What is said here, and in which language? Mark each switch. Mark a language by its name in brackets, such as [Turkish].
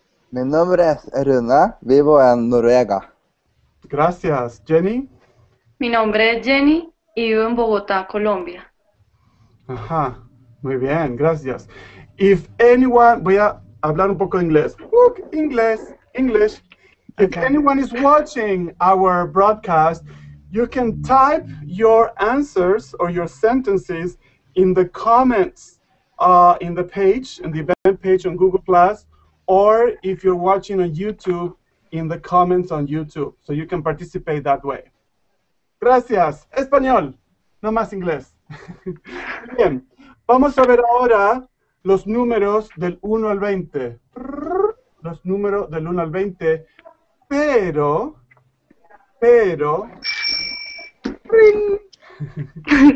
[Spanish] Mi nombre es Runa, vivo en Noruega. Gracias. ¿Jenny? Mi nombre es Jenny y vivo en Bogotá, Colombia. Ajá, muy bien, gracias. [English] If anyone, [Spanish] voy a hablar un poco inglés. [English] Look, English. Okay. If anyone is watching our broadcast, you can type your answers or your sentences in the comments in the page, in the event page on Google+, or if you're watching on YouTube, in the comments on YouTube, so you can participate that way. [Spanish] Gracias. Español. No más inglés. Bien, vamos a ver ahora los números del 1 al 20. Los números del 1 al 20, pero... [English] Ring. Sorry.